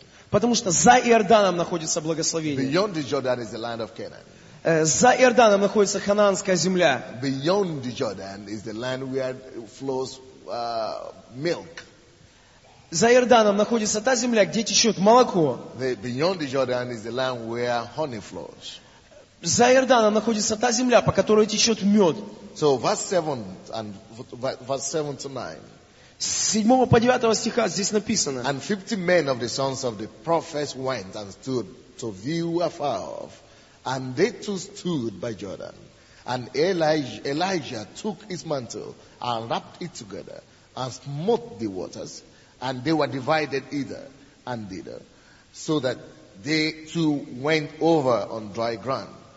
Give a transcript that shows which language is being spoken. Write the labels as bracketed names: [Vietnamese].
[Russian] Потому что за Иорданом находится благословение. За Иорданом находится Ханаанская земля. [English] Beyond the Jordan is the land where flows milk. [Russian] За Иорданом находится та земля, где течет молоко. [English] Beyond the Jordan is the land where honey flows. [Russian] За Иорданом находится та земля, по которой течет мед. [English] So verse 7 to 9. [Russian] С 7 по 9 стиха здесь написано. [English] And 50 men of the sons of the prophets went and stood to view afar off. And they too stood by Jordan. And Elijah took his mantle and wrapped it together and smote the waters. And they were divided either and thither, so that they too went over on dry ground.